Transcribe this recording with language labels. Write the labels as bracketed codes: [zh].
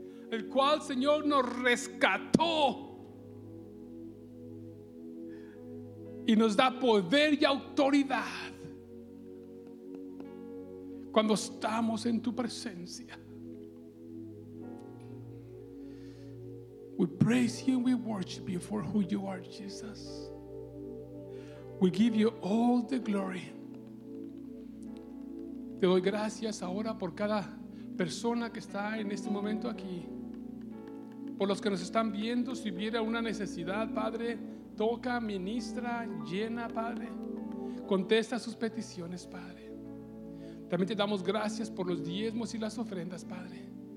[es] El cual, Señor, nos rescató. Y nos da poder y autoridad cuando estamos en tu presencia. [en] We praise you and we worship you for who you are, Jesus. We give you all the glory. [es] Te doy gracias ahora por cada persona que está en este momento aquí. Por los que nos están viendo, si hubiera una necesidad, Padre, toca, ministra, llena, Padre. Contesta sus peticiones, Padre. También te damos gracias por los diezmos y las ofrendas, Padre.